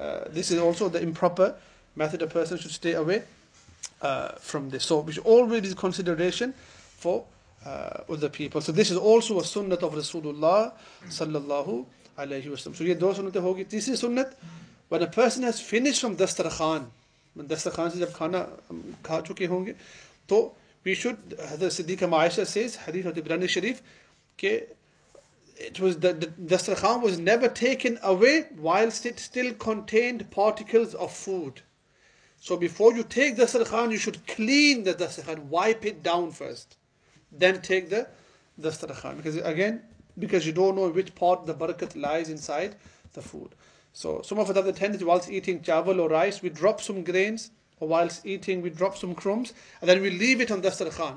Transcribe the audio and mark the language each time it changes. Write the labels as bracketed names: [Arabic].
[English] This is also the improper method. A person should stay away from this. So, which always is consideration for other people. So, this is also a sunnah of Rasulullah sallallahu alayhi wa sallam. [Urdu] So, ye do sunnat hogi. Tisri sunnat, [English] when a person has finished from dastarkhan, [Urdu] दस्तरखान से जब खाना खा चुके होंगे, [English] तो we should, [Urdu] हज़रत सिद्दीक आयशा से हदीस होती बरानी शरीफ के, [English] It was दस्तरखान was never taken away whilst it still contained particles of food. So before you take दस्तरखान, you should clean the दस्तरखान, wipe it down first, then take the दस्तरखान, because again because you don't know which part the बरकत lies inside the food. So some of us have the tendency whilst eating chawal or rice, we drop some grains, or whilst eating we drop some crumbs, and then we leave it on the dasturkhan.